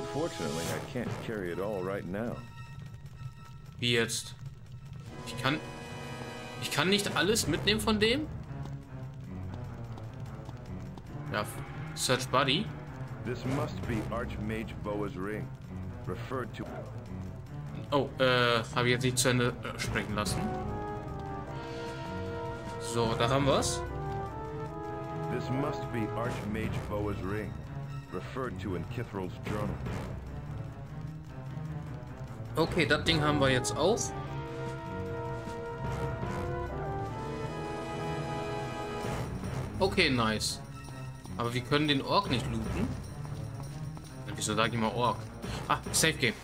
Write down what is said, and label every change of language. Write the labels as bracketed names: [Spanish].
[English] Unfortunately, I can't carry it all right now. [German] Wie jetzt? Ich kann nicht alles mitnehmen von dem? Ja, Search Buddy. [English] This must be Archmage Boa's ring. Referred to. [German] Oh, habe ich jetzt nicht zu Ende sprechen lassen. So, da haben wir's. [English] This must be Archmage Boa's ring. Referred to in Kithril's journal. [German] Okay, das Ding haben wir jetzt auch. Okay, nice. Aber wir können den Ork nicht looten. Wieso sage ich mal Ork? Ah, Safe Game.